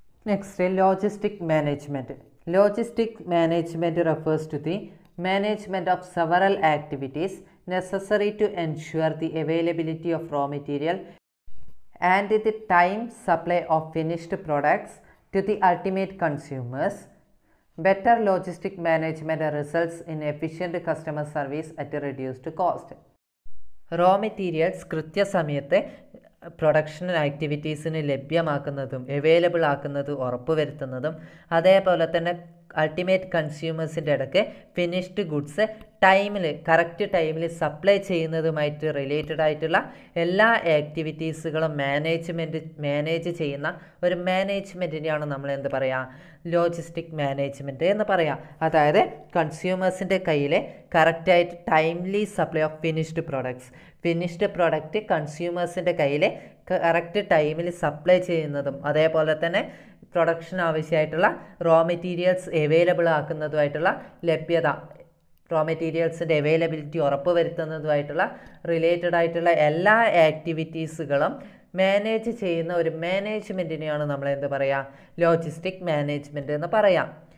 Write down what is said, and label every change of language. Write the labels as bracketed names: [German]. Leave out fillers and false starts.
[English] Next, logistic management. Logistic management refers to the management of several activities necessary to ensure the availability of raw material and the time supply of finished products to the ultimate consumers. Better logistic management results in efficient customer service at a reduced cost. [Malayalam] Raw materials krithya samayathe production activities in labhyamakkunnathum available aakkunnathu urappu varuthunnathum adey pole thanne ultimate consumers inde edakke finished goods ടൈമിൽ correct ടൈമിൽ supply ചെയ്യുന്നതുമായിട്ട് related ആയിട്ടുള്ള എല്ലാ ആക്ടിവിറ്റീസുകളും manage ചെയ്യുന്ന ഒരു മാനേജ്മെൻറ്റിനെയാണ് നമ്മൾ എന്ത് പറയുക, logistic management എന്ന് പറയാം. അതായത് കൺസ്യൂമേഴ്സിൻ്റെ കയ്യിലെ കറക്റ്റായിട്ട് timely supply of finished products, finished product കൺസ്യൂമേഴ്സിൻ്റെ കയ്യിലെ കറക്റ്റ് ടൈമിൽ സപ്ലൈ ചെയ്യുന്നതും അതേപോലെ തന്നെ പ്രൊഡക്ഷന് ആവശ്യമായിട്ടുള്ള റോ മെറ്റീരിയൽസ് അവൈലബിൾ ആക്കുന്നതുമായിട്ടുള്ള ലഭ്യത, റോ മെറ്റീരിയൽസിൻ്റെ അവൈലബിലിറ്റി ഉറപ്പ് വരുത്തുന്നതുമായിട്ടുള്ള റിലേറ്റഡ് ആയിട്ടുള്ള എല്ലാ ആക്ടിവിറ്റീസുകളും മാനേജ് ചെയ്യുന്ന ഒരു മാനേജ്മെൻറ്റിനെയാണ് നമ്മൾ എന്ത് പറയുക, ലോജിസ്റ്റിക് മാനേജ്മെൻറ്റ് എന്ന് പറയാം.